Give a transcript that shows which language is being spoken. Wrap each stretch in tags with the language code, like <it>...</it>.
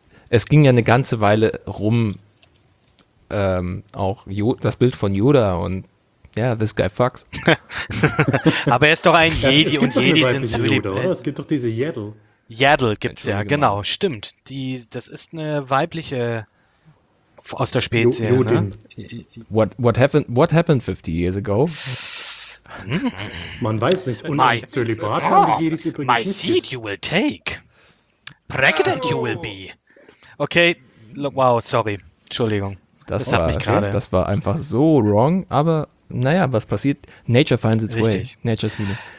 <de>Es ging ja eine ganze Weile rum, auch das Bild von Yoda und ja,</de> <en>yeah, this guy fucks.</en> <de>Aber er ist doch ein Jedi und Jedi sind Zwillinge. Es gibt doch diese Yaddle. Yaddle gibt's ja, genau, stimmt. Das ist eine weibliche aus der Spezies. Ne?</de> <en>What happened 50 years ago?</en> <de>Man weiß nicht. Und im Zölibat haben die Jedis übrigens.</de> <en>My seed you will take. Pregnant you will be.</en> <de>Okay, wow, sorry. Entschuldigung. Das hat mich gerade. Das war einfach so wrong, aber. Naja, was passiert?</de> <en>Nature finds its way. Nature's healing.</en>